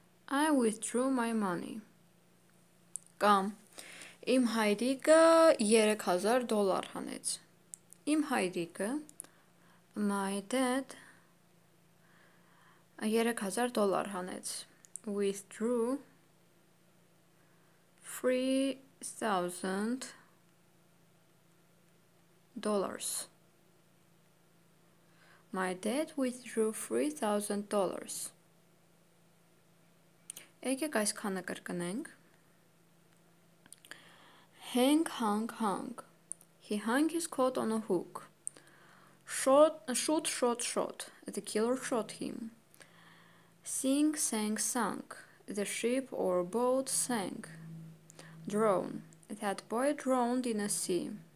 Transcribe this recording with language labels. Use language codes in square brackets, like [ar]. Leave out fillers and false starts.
[en] I withdrew my money. [hy] Կամ իմ հայրիկը 3000 դոլար հանեց։ Իմ հայրիկը, [en] my dad, [hy] 3000 դոլար հանեց։ [en] Withdrew 3000 dollars. My dad withdrew 3000 dollars. [hy] Եկեք այսքանը կրկնենք։ [en] Hang, hang, hang. He hung his coat on a hook. Shot. The killer shot him. Sing, sang, sunk. The ship or boat sank. Drown. That boy drowned in a sea.